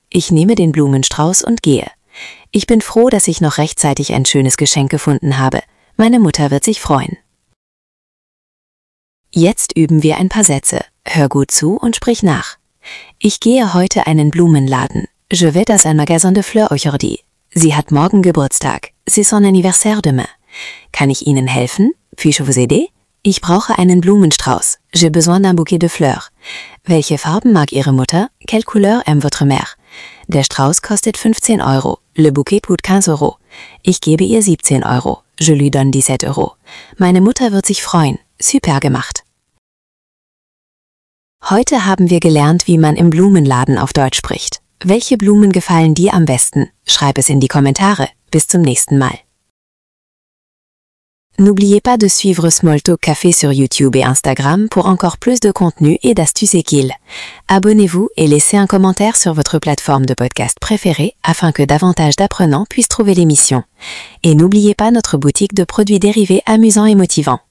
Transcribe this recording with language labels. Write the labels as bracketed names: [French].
[German] Ich nehme den Blumenstrauß und gehe. Ich bin froh, dass ich noch rechtzeitig ein schönes Geschenk gefunden habe. Meine Mutter wird sich freuen. Jetzt üben wir ein paar Sätze. Hör gut zu und sprich nach. Ich gehe heute einen Blumenladen. [French] Je vais dans un magasin de fleurs aujourd'hui. [German] Sie hat morgen Geburtstag. [French] C'est son anniversaire demain. [German] Kann ich Ihnen helfen? [French] Puis-je vous aider? [German] Ich brauche einen Blumenstrauß. [French] J'ai besoin d'un bouquet de fleurs. [German] Welche Farben mag Ihre Mutter? [French] Quelle couleur aime votre mère? [German] Der Strauß kostet 15 Euro. [French] Le bouquet coûte 15 Euro. [German] Ich gebe ihr 17 Euro. [French] Je lui donne 17 Euro. [German] Meine Mutter wird sich freuen. Super gemacht. Heute haben wir gelernt, wie man im Blumenladen auf Deutsch spricht. Welche Blumen gefallen dir am besten? Schreib es in die Kommentare. Bis zum nächsten Mal. [French] N'oubliez pas de suivre Smalltalk Café sur YouTube et Instagram pour encore plus de contenu et d'astuces équiles. Abonnez-vous et laissez un commentaire sur votre plateforme de podcast préférée afin que davantage d'apprenants puissent trouver l'émission. Et n'oubliez pas notre boutique de produits dérivés amusants et motivants.